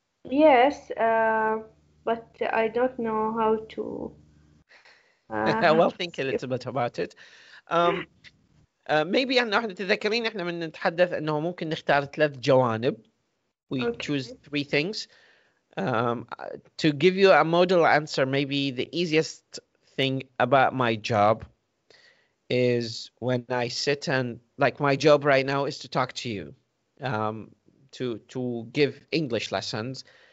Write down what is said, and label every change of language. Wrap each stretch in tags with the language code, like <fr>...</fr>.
<en>Yes, but I don't know how to. well, think a little bit about it. Maybe</en> <ar>احنا نتذكرين احنا من نتحدث انه ممكن نختار ثلاث جوانب.</ar> <en>We okay. choose three things. To give you a modal answer, maybe the easiest thing about my job is when I sit and, like, my job right now is to talk to you, to give English lessons.</en>